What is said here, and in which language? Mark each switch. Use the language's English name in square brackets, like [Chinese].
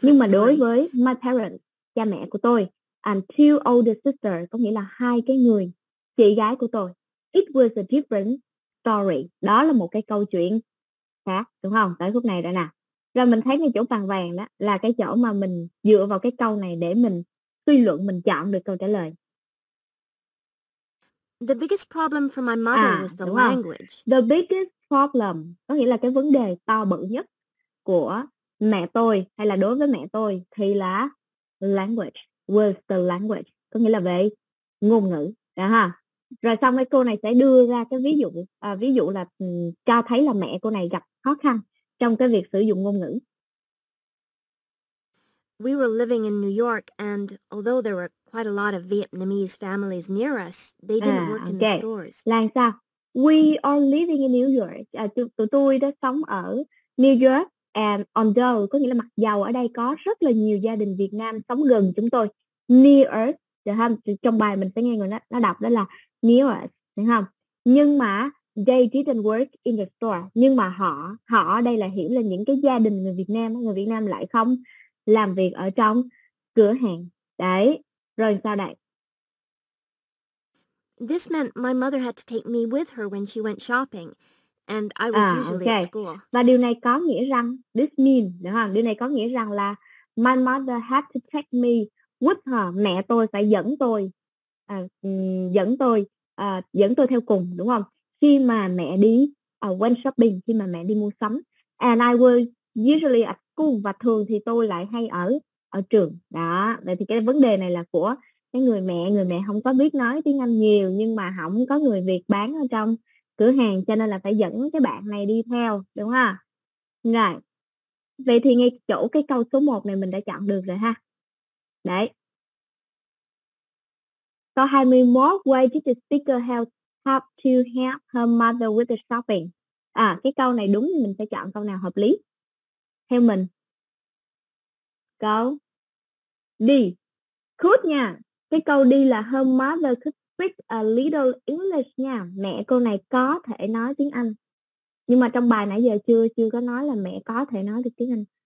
[Vietnamese] Nhưng mà đối với [English] my parents, [Vietnamese] cha mẹ của tôi, [English] and two older sisters, [Vietnamese] có nghĩa là hai cái người chị gái của tôi, [English] it was a different story. [Vietnamese] Đó là một cái câu chuyện khác, đúng không? Tới khúc này đây nè. Rồi mình thấy cái chỗ vàng vàng đó là cái chỗ mà mình dựa vào cái câu này để mình suy luận, mình chọn được câu trả lời. [English] The biggest problem for my mother was the language. The biggest problem [Vietnamese] có nghĩa là cái vấn đề to bự nhất của mẹ tôi hay là đối với mẹ tôi thì là language, [English] was the language, [Vietnamese] có nghĩa là về ngôn ngữ. Đó ha. Rồi xong cái cô này sẽ đưa ra cái ví dụ là cho thấy là mẹ cô này gặp khó khăn trong cái việc sử dụng ngôn ngữ. [English] We were living in New York and although there were quite a lot of Vietnamese families near us, they didn't work in the stores. [Vietnamese] Là sao? [English] We are living in New York. [Vietnamese] Tụi tôi đã sống ở New York [English] and although, [Vietnamese] có nghĩa là mặc dầu ở đây có rất là nhiều gia đình Việt Nam sống gần chúng tôi. [English] Near us, [Vietnamese] trong bài mình sẽ nghe người nó đọc đó là [English] near us, [Vietnamese] đúng không? Nhưng mà [English] they didn't work in the store. [Vietnamese] Nhưng mà họ ở đây là hiểu là những cái gia đình người Việt Nam lại không làm việc ở trong cửa hàng. Đấy. Rồi sao đây? [English] This meant my mother had to take me with her when she went shopping and I was usually at school. [Vietnamese] Và điều này có nghĩa rằng [English] this mean, [Vietnamese] đúng không? Điều này có nghĩa rằng là [English] my mother had to take me with her. [Vietnamese] Mẹ tôi phải dẫn tôi theo cùng, đúng không? Khi mà mẹ đi [English] went shopping, [Vietnamese] khi mà mẹ đi mua sắm. [English] And I was usually at school, [Vietnamese] và thường thì tôi lại hay ở trường. Đó, vậy thì cái vấn đề này là của cái người mẹ không có biết nói tiếng Anh nhiều, nhưng mà không có người Việt bán ở trong cửa hàng, cho nên là phải dẫn cái bạn này đi theo, đúng không? Rồi, vậy thì ngay chỗ cái câu số 1 này mình đã chọn được rồi ha. Đấy. [English] Câu 21, why did the speaker help her mother with the shopping? [Vietnamese] Cái câu này đúng thì mình sẽ chọn câu nào hợp lý? Theo mình. Câu D. Could nha. Cái câu D là [English] her mother could speak a little English nha. [Vietnamese] Mẹ cô này có thể nói tiếng Anh. Nhưng mà trong bài nãy giờ chưa có nói là mẹ có thể nói được tiếng Anh.